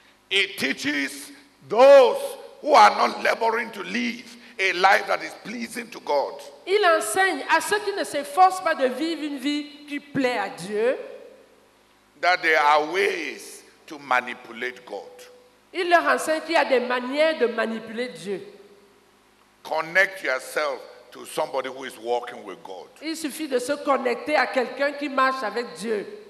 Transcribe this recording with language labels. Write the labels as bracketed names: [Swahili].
[English] It teaches those who are not laboring to live a life that is pleasing to God. [French] Il enseigne à ceux qui ne s'efforcent pas de vivre une vie qui plaît à Dieu. [English] That there are ways to manipulate God. [French] Il leur enseigne qu'il y a des manières de manipuler Dieu. [English] Connect yourself to somebody who is walking with God. [French] Il suffit de se connecter à quelqu'un qui marche avec Dieu.